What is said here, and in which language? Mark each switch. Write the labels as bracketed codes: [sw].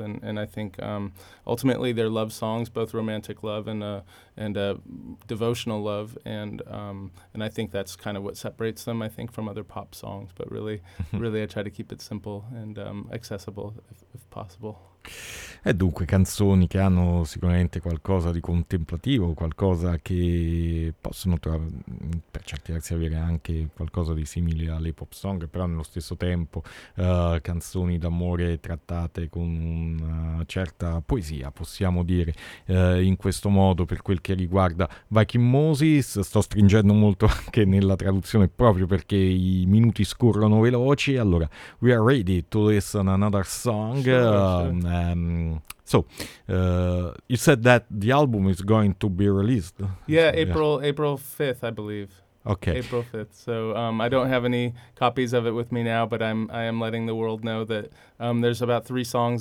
[en] And I think ultimately they're love songs, both romantic love and devotional love. And I think that's kind of what separates them, I think, from other pop songs. But really, really, I try to keep it simple and accessible if possible. [it] E dunque canzoni che hanno sicuramente qualcosa di contemplativo, qualcosa che possono per certi versi avere anche qualcosa di simile alle pop song, però nello stesso tempo canzoni d'amore trattate con una certa poesia, possiamo dire, in questo modo per quel che riguarda Viking Moses. Sto stringendo molto anche nella traduzione proprio perché i minuti scorrono veloci. [en] Allora, we are ready to listen another song. You said that the album is going to be released. Yeah, April 5th, I believe. Okay. April 5th. So I don't have any copies of it with me now, but I am letting the world know that there's about three songs.